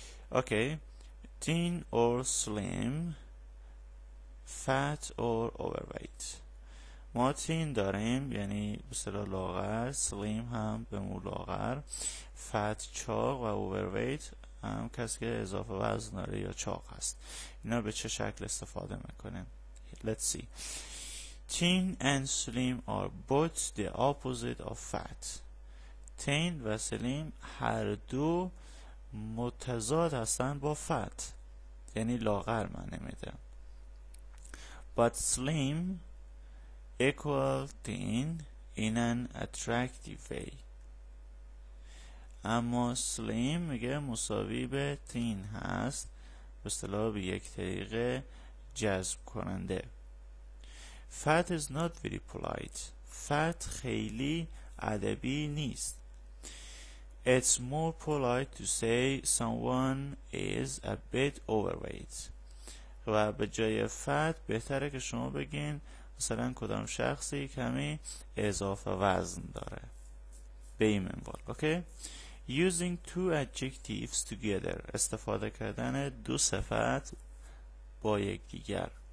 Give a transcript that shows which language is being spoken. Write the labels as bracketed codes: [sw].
[en] Okay, thin or slim، fat or overweight. [fa] ما تین داریم یعنی به اصطلاح لاغر، سلیم هم به مو لاغر، فت چاق و اوورویت هم کسی که اضافه وزن داره یا چاق هست. اینا به چه شکل استفاده میکنیم؟ [en] Let's see. Thin and slim are both the opposite of fat. [fa] Thin و سلیم هر دو متضاد هستند با فت، یعنی لاغر معنی میده. [en] But slim equal thin in an attractive way. [fa] اما سلیم میگه مساوی به تین هست به اصطلاح به یک طریق جذب کننده. [en] Fat is not very polite. Fat [fa] خیلی ادبی نیست. [en] It's more polite to say someone is a bit overweight. [fa] و به جای fat بهتره که شما بگین مثلا کدام شخصی کمی اضافه وزن داره به این منوال. Okay. [en] Using two adjectives together، [fa] استفاده کردن دو صفت با یک دیگر.